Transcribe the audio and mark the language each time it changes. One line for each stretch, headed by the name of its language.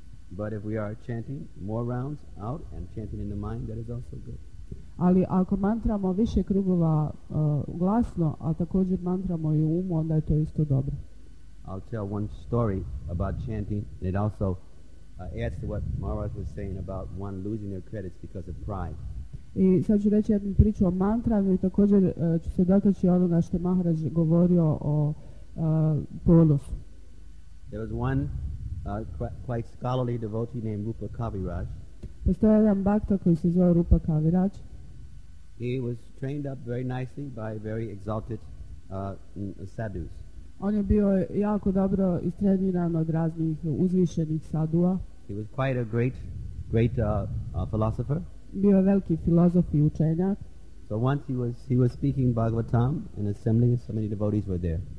English: But if we are chanting more rounds out and chanting in the mind, that is also good.
Croatian: Ali ako mantramo više krugova glasno, a također mantramo i umu, onda je to isto dobro.
English: I'll tell one story about chanting, and it also adds to what Maharaj was saying about one losing their credits because of pride.
Croatian: I sad ću reći jednu priču o mantranju i također ću se dotaći onoga što je Maharaj govorio o ponosu.
English: There was one quite scholarly devotee named Rupa Kaviraj.
Croatian: Postoje jedan bhakta koji se zove Rupa Kaviraj.
English: He was trained up very nicely by very exalted sadhus.
Croatian: On je bio jako dobro istreniran od raznih uzvišenih sadua.
English: He was quite a great philosopher.
Croatian: Bio veliki filozof i učenjak.
English: So once he was speaking Bhagavatam in assembly, so many devotees were there.